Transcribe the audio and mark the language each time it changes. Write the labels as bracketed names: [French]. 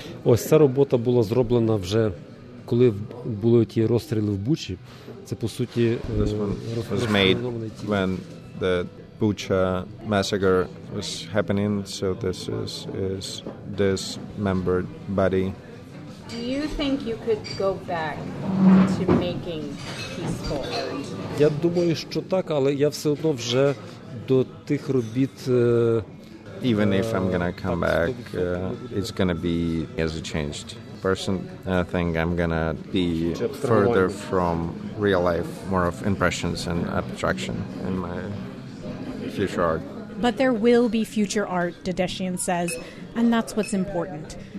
[Ukrainian] Ось ця робота була зроблена вже... [English] This one was made when the Bucha massacre was happening, so this is dismembered body. Do you think you could go back to making peaceful art? [Ukrainian] Я думаю, що так, але я все одно вже до тих робіт. [English] Even if I'm gonna come back, it's gonna be as it changed. Person, I think I'm gonna be further from real life, more of impressions and abstraction in my future art. But there will be future art, Dedeshian says, and that's what's important.